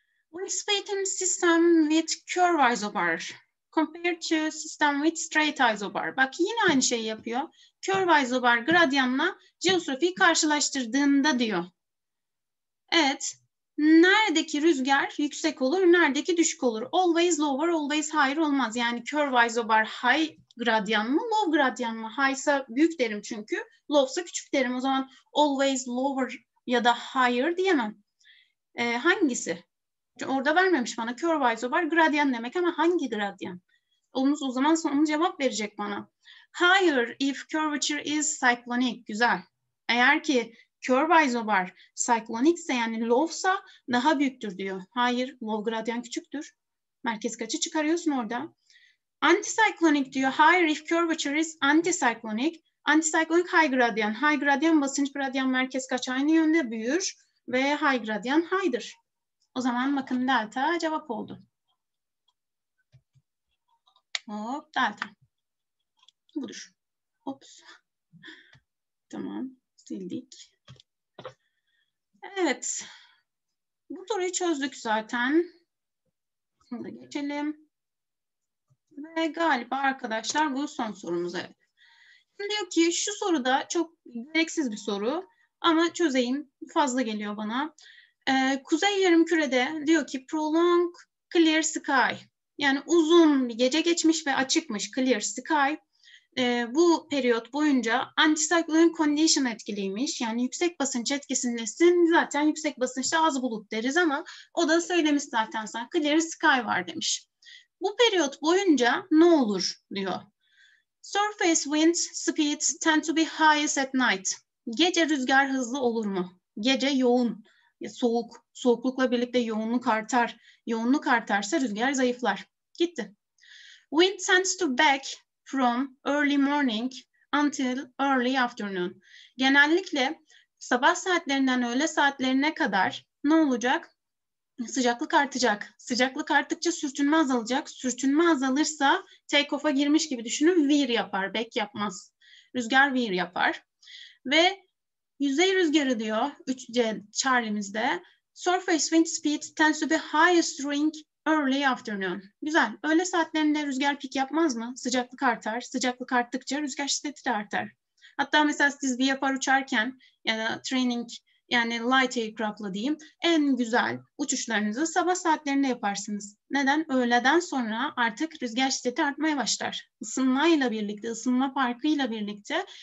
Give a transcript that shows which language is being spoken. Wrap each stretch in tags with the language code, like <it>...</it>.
<en>Wind speed in system with curved isobar compared to system with straight isobar.</en> <tr>Bak yine aynı şeyi yapıyor. Curved isobar gradyanla jeostrofiyi karşılaştırdığında diyor. Evet. Neredeki rüzgar yüksek olur, neredeki düşük olur?</tr> <en>Always lower, always higher</en> <tr>olmaz. Yani curved isobar high gradyan mı, low gradyan mı? High'sa büyük derim çünkü, low'sa küçük derim. O zaman</tr> <en>always lower</en> <tr>ya da higher diyemem. Hangisi? Orada vermemiş bana curve isobar gradyan demek ama hangi gradyan? Olumsuz o zaman sonu cevap verecek bana.</tr> <en>Higher if curvature is cyclonic.</en> <tr>Güzel. Eğer ki curve isobar cyclonicse yani low'sa daha büyüktür diyor. Hayır, low gradyan küçüktür. Merkez kaçı çıkarıyorsun orada? Anticyclonic diyor.</tr> <en>Higher if curvature is anticyclonic.</en> <tr>Anticyclonic high gradyan. High gradyan basınç gradyan merkez kaç aynı yönde büyür ve high gradyan high'dır. O zaman bakın delta cevap oldu. Hop delta. Budur. Hops. Tamam. Sildik. Evet. Bu soruyu çözdük zaten. Şunu da geçelim. Ve galiba arkadaşlar bu son sorumuz. Evet. Şimdi diyor ki şu soruda çok gereksiz bir soru. Ama çözeyim. Fazla geliyor bana. Kuzey yarım kürede diyor ki</tr> <en>prolong clear sky.</en> <tr>Yani uzun bir gece geçmiş ve açıkmış</tr> <en>clear sky.</en> <tr>Bu periyot boyunca antisiklonun condition etkiliymiş. Yani yüksek basınç etkisindesin. Zaten yüksek basınçta az bulut deriz ama o da söylemiş zaten sana clear sky var demiş. Bu periyot boyunca ne olur diyor.</tr> <en>Surface wind speed tend to be highest at night.</en> <tr>Gece rüzgar hızlı olur mu? Gece yoğun. Ya soğuk, soğuklukla birlikte yoğunluk artar. Yoğunluk artarsa rüzgar zayıflar. Gitti.</tr> <en>Wind tends to back from early morning until early afternoon.</en> <tr>Genellikle sabah saatlerinden öğle saatlerine kadar ne olacak? Sıcaklık artacak. Sıcaklık arttıkça sürtünme azalacak. Sürtünme azalırsa take off'a girmiş gibi düşünün, veer yapar, back yapmaz. Rüzgar veer yapar. Ve yüzey rüzgarı diyor 3C Charlie'mizde.</tr> <en>Surface wind speed tends to be highest during early afternoon.</en> <tr>Güzel. Öğle saatlerinde rüzgar pik yapmaz mı? Sıcaklık artar. Sıcaklık arttıkça rüzgar şiddeti de artar. Hatta mesela siz bir yapar uçarken ya da training yani light aircraft'la diyeyim. En güzel uçuşlarınızı sabah saatlerinde yaparsınız. Neden? Öğleden sonra artık rüzgar şiddeti artmaya başlar. Isınmayla birlikte, ısınma farkıyla birlikte.</tr>